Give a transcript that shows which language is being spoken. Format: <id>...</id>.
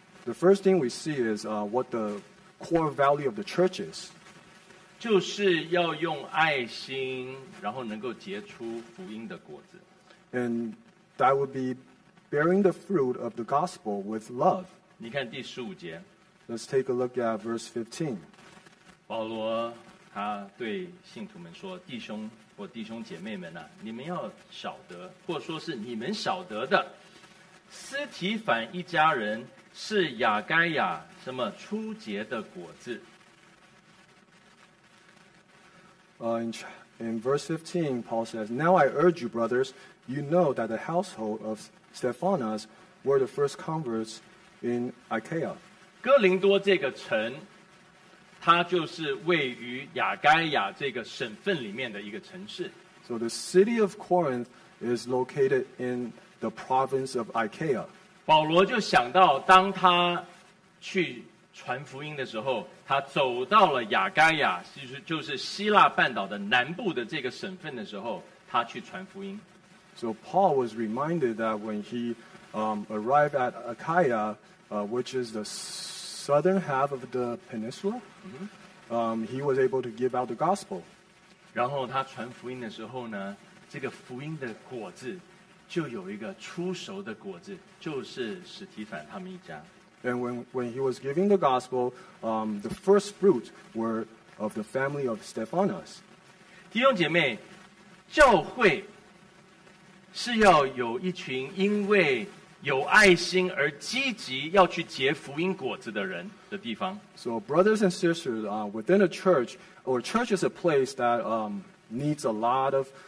<en>？The first thing we see is what the core value of the church is.</en> <zh>就是要用爱心，然后能够结出福音的果子。</zh> <en>And that would be bearing the fruit of the gospel with love.</en> <zh>你看第十五节。</zh> <en>Let's take a look at verse 15.</en> <zh>保罗他对信徒们说：“弟兄或弟兄姐妹们啊，你们要晓得，或说是你们晓得的，斯提凡一家人是亚该亚什么初结的果子。”</zh> <en>In verse 15, Paul says, Now I urge you, brothers, you know that the household of Stephanas were the first converts in Achaia.</en> <zh>哥林多这个城，它就是位于亚该亚这个省份里面的一个城市。</zh> <en>So the city of Corinth is located in the province of Achaia.</en> <zh>保罗就想到，当他去传福音的时候，他走到了亚该亚，就是希腊半岛的南部的这个省份的时候，他去传福音。</zh> <en>So Paul was reminded that when he arrived at Achaia, which is the southern half of the peninsula, he was able to give out the gospel.</en> <zh>然后他传福音的时候呢，这个福音的果子就有一个出熟的果子，就是史提凡他们一家。</zh> <en>And when he was giving the gospel, the first fruits were of the family of Stephanas.</en> <zh>弟兄姐妹，教会是要有一群因为有爱心而积极要去结福音果子的人的地方。</zh> <en>So brothers and sisters, within a church, or church is a place that needs a lot of</en>